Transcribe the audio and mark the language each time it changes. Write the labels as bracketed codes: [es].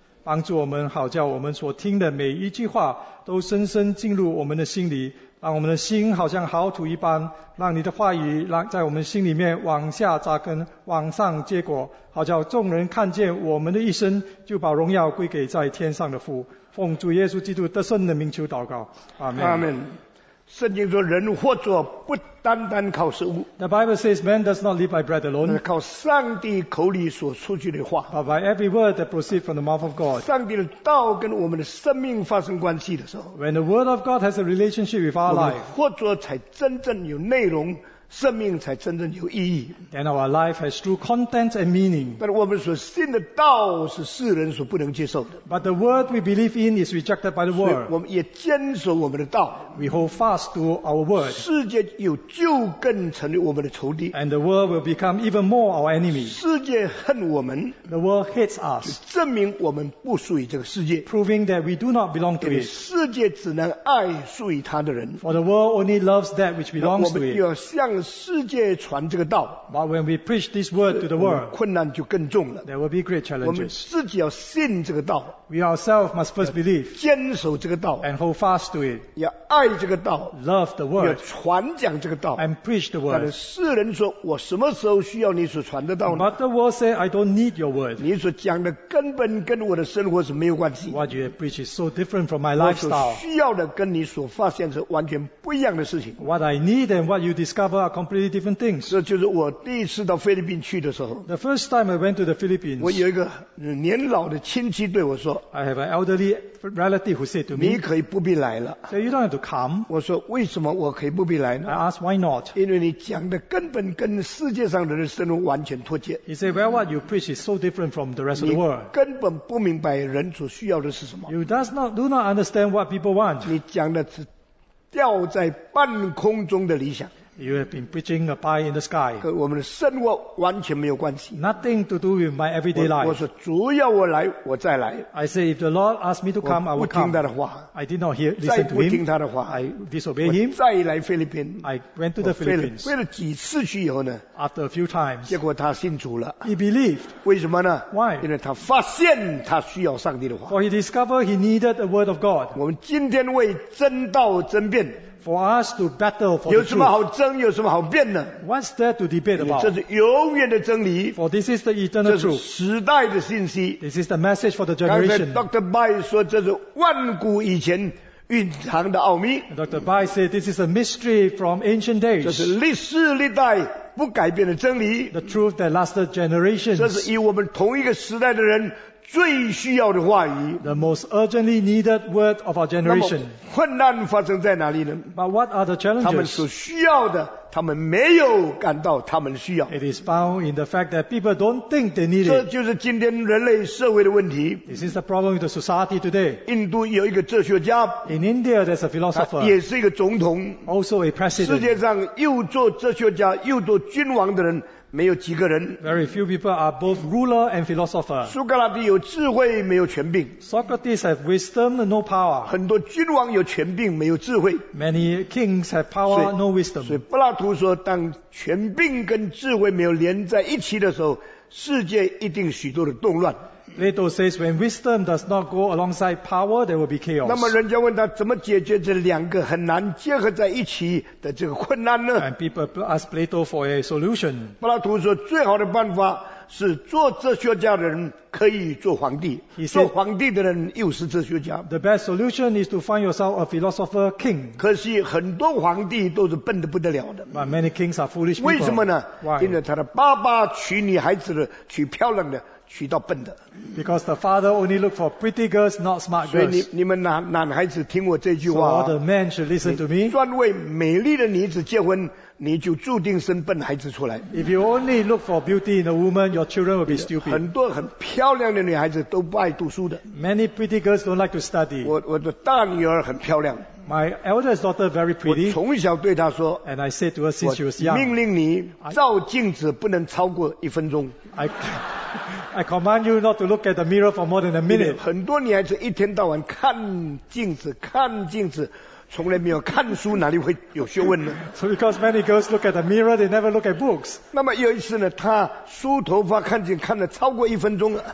[zh] 帮助我们，好叫我们所听的每一句话都深深进入我们的心里，让我们的心好像好土一般，让你的话语在我们心里面往下扎根，往上结果，好叫众人看见我们的一生，就把荣耀归给在天上的父。奉主耶稣基督得胜的名求祷告，阿门。阿门。圣经说，人活着不单单靠食物。 [en] The Bible says, man does not live by bread alone. [zh] 是靠上帝口里所出去的话。 [en] But by every word that proceeds from the mouth of God. [zh] 上帝的道跟我们的生命发生关系的时候。 [en] When the word of God has a relationship with our life. [zh] 我们活着才真正有内容，生命才真正有意义。 [en] Then our life has true content and meaning. [zh] 但我们所信的道是世人所不能接受的。 [en] But the word we believe in is rejected by the world. [zh] 我们也坚守我们的道。 [en] We hold fast to our word. [zh] 世界有旧根成为我们的仇敌。 [en] And the world will become even more our enemy. [zh] 世界恨我们。 [en] The world hates us. [zh] 证明我们不属于这个世界。 [en] Proving that we do not belong to it. [zh] 世界只能爱属于他的人。 [en] For the world only loves that which belongs to it. [zh] 我们要向世界传这个道。 [en] But when we preach this word to the world, [zh] 困难就更重了。 [en] There will be great challenges. [zh] 我们自己要信这个道。 [en] We ourselves must first believe. [zh] 坚守这个道。 [en] And hold fast to it. [zh] 要爱这个道。 [en] Love the word. [zh] 要传讲这个道。 [en] And preach the word. [zh] 但世人说，我什么时候需要你所传的道呢？ [en] But the world say, I don't need your word. [zh] 你所讲的根本跟我的生活是没有关系。 [en] What you preach is so different from my lifestyle. [zh] 我所需要的跟你所发现是完全不一样的事情。 [en] What I need and what you discover are completely different things. [zh] 这就是我第一次到菲律宾去的时候。 [en] The first time I went to the Philippines. [zh] 我有一个年老的亲戚对我说， [en] I have an elderly relative who said to me, [zh] 你可以不必来了。 [en] So you don't have to come. [zh] 我说为什么我可以不必来呢？ [en] I asked why not. [zh] 因为你讲的根本跟世界上的人生活完全脱节。 [en] He said, well, what you preach is so different from the rest of the world. [zh] 你根本不明白人所需要的是什么。 [en] You do not understand what people want. [zh] 你讲的是吊在半空中的理想。 [en] You have been preaching a pie in the sky. [zh] 跟我们的生活完全没有关系。 [en] Nothing to do with my everyday life. [zh] 我说主要我来，我再来。 [en] I say if the Lord asks me to come, I will come. [zh] 我不听他的话。 [en] I did not hear, listen to him. [zh] 再不听他的话。 [en] I disobeyed him. [zh] 我再来菲律宾。 [en] I went to the Philippines. [zh] 飞了几次去以后呢？ [en] After a few times. [zh] 结果他信主了。 [en] He believed. [zh] 为什么呢？ [en] Why? [zh] 因为他发现他需要上帝的话。 [en] For he discovered he needed the word of God. [zh] 我们今天为真道争辩。 [en] For us to battle for the truth. [zh] 有什么好争，有什么好辩呢？ [en] What's there to debate about? [zh] 这是永远的真理。 [en] For this is the eternal truth. [zh] 这是时代的信息。 [en] This is the message for the generation. [zh] 刚才 Dr. Bai 说，这是万古以前蕴藏的奥秘。 [en] Dr. Bai said, this is a mystery from ancient days. [zh] 这是历世历代不改变的真理。 [en] The truth that lasted generations. [zh] 这是以我们同一个时代的人最需要的话语。 [en] The most urgently needed word of our generation. [zh] 那么困难发生在哪里呢？ [en] But what are the challenges? [zh] 他们所需要的，他们没有感到他们需要。 [en] It is found in the fact that people don't think they need it. [zh] 这就是今天人类社会的问题。 [en] This is the problem with the society today. [zh] 印度有一个哲学家。 [en] In India, there's a philosopher. [zh] 也是一个总统。 [en] Also a president. [zh] 世界上又做哲学家又做君王的人没有几个人。 [en] Very few people are both ruler and philosopher. [zh] 苏格拉底有智慧，没有权柄。 [en] Socrates have wisdom, no power. [zh] 很多君王有权柄，没有智慧。 [en] Many kings have power, no wisdom. [zh] 所以柏拉图说，当权柄跟智慧没有连在一起的时候，世界一定许多的动乱。 [en] Plato says, when wisdom does not go alongside power, there will be chaos. [zh] 那么人家问他怎么解决这两个很难结合在一起的这个困难呢？ [en] And people ask Plato for a solution. [zh] 柏拉图说最好的办法是做哲学家的人可以做皇帝。 [en] He said, [zh] 做皇帝的人又是哲学家。 [en] The best solution is to find yourself a philosopher king. [zh] 可惜很多皇帝都是笨得不得了的。 [en] But many kings are foolish people. [zh] 为什么呢？ [en] Why? [zh] 因为他的爸爸娶女孩子的，娶漂亮的，娶到笨的。 [en] Because the father only look for pretty girls, not smart girls. [zh] 所以你们男孩子听我这句话。 [en] So all the men should listen to me. [zh] 专为美丽的女子结婚，你就注定生笨孩子出来。 [en] If you only look for beauty in a woman, your children will be stupid. [zh] 很多很漂亮的女孩子都不爱读书的。 [en] Many pretty girls don't like to study. [zh] 我的大女儿很漂亮。 [en] My eldest daughter very pretty. [zh] 我从小对她说。 [en] And I said to her since she was young. [zh] 我命令你照镜子不能超过一分钟。 [en] I command you not to look at the mirror for more than a minute. [zh] 很多女孩子一天到晚看镜子，看镜子。从来没有看书，哪里会有学问呢？ [en] So because many girls look at the mirror, they never look at books. [zh] 那么有一次呢，她梳头发看见看了超过一分钟了。